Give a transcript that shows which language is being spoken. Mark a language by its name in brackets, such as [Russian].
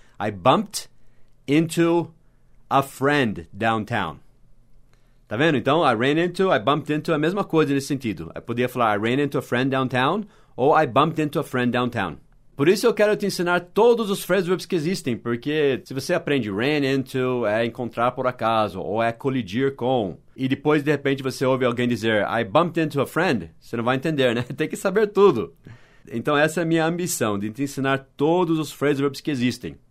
[English] I bumped into a friend downtown. [Portuguese] Tá vendo? Então, [English] I ran into, I bumped into, [Portuguese] a mesma coisa nesse sentido. Eu podia falar [English] I ran into a friend downtown, [Portuguese] ou [English] I bumped into a friend downtown. [Portuguese] Por isso eu quero te ensinar todos os phrasal verbs que existem, porque se você aprende ran into, é encontrar por acaso, ou é colidir com, e depois de repente você ouve alguém dizer [English] I bumped into a friend, [Portuguese] você não vai entender, né? Tem que saber tudo. Então essa é a minha ambição, de te ensinar todos os phrasal verbs que existem.